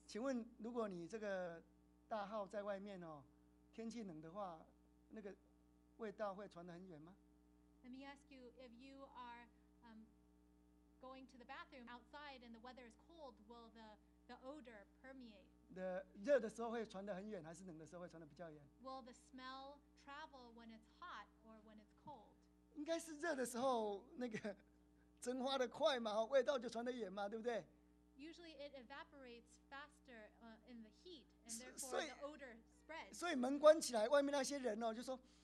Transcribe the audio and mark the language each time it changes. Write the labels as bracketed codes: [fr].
[zh] 请问，如果你这个大号在外面哦，天气冷的话，那个。味道会传得很远吗？ [en] Let me ask you, if you are going to the bathroom outside and the weather is cold, will the odor permeate? [zh] 热的时候会传得很远，还是冷的时候会传得比较远？ [en] Will the smell travel when it's hot or when it's cold? [zh] 应该是热的时候那个蒸发得快嘛，味道就传得远嘛，对不对？ [en] Usually it evaporates faster in the heat, and therefore the odor spreads. [zh] 所以门关起来，外面那些人哦，就说。